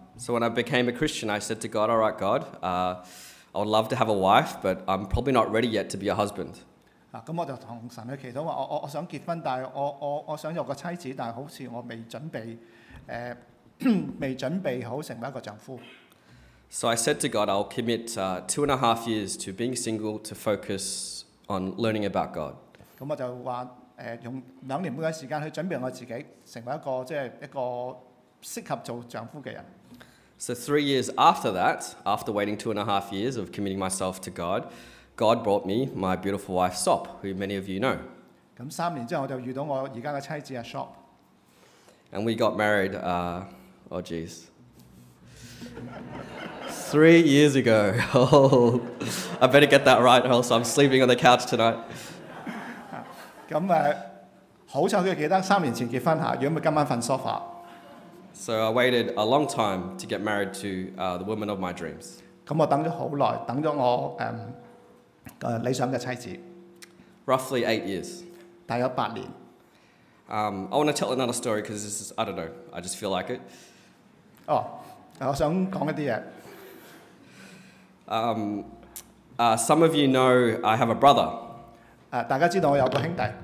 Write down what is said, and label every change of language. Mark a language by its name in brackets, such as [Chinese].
[English] So when I became a Christian, I said to God, all right, God, I would love to have a wife, but I'm probably not ready yet to be a husband. [Chinese] 我就跟神祈禱，我想結婚，但我想有個妻子，但好像我未準備好成為一個丈夫。 [English] So I said to God, I'll commit 2.5 years to being single to focus on learning about God. [Chinese] 我就說用兩年半的時間去準備我自己成為一個適合做丈夫的人。 [English] So 3 years after that, after waiting 2.5 years of committing myself to God, God brought me my beautiful wife, Sop, who many of you know. [Chinese] 3年之後我就遇到我現在的妻子Sop。 [English] And we got married, oh geez. 3 years ago. Oh, I better get that right, or else I'm sleeping on the couch tonight. [Chinese] 幸好他記得3年前結婚，如果不今晚睡沙發。 [English] So I waited a long time to get married to the woman of my dreams. [Chinese] 我等了很久，等了我理想的妻子。 [English] Roughly 8 years. [Chinese] 大約8年。 [English] I want to tell another story because this is, I don't know, I just feel like it. [Chinese] 我想講一些東西。 [English] Some of you know I have a brother. [Chinese] 大家知道我有個兄弟。